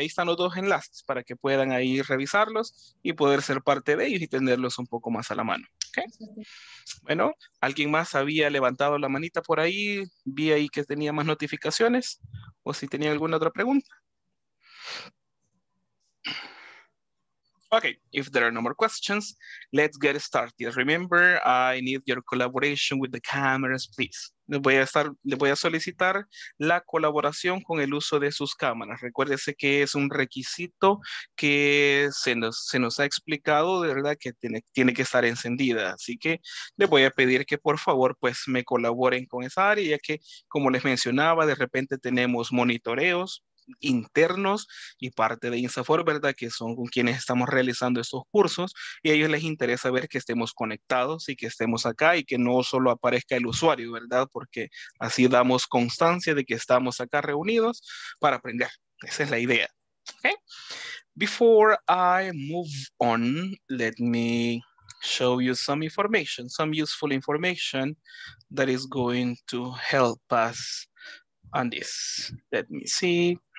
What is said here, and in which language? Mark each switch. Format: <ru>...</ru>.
<es>Ahí están los dos enlaces para que puedan ahí revisarlos y poder ser parte de ellos y tenerlos un poco más a la mano. ¿Okay? Bueno, ¿alguien más había levantado la manita por ahí? Vi ahí que tenía más notificaciones o si tenía alguna otra pregunta.</es> <en>Okay, if there are no more questions, let's get started. Remember, I need your collaboration with the cameras, please.</en> <es>Le voy a solicitar la colaboración con el uso de sus cámaras. Recuérdese que es un requisito que se nos ha explicado, de verdad, que tiene que estar encendida. Así que le voy a pedir que, por favor, pues me colaboren con esa área, ya que, como les mencionaba, de repente tenemos monitoreos internos y parte de INSAFORP, ¿verdad? Que son con quienes estamos realizando estos cursos y a ellos les interesa ver que estemos conectados y que estemos acá y que no solo aparezca el usuario, ¿verdad? Porque así damos constancia de que estamos acá reunidos para aprender. Esa es la idea. Okay.</es> <en>Before I move on, let me show you some information, some useful information that is going to help us on this. Let me see.</en>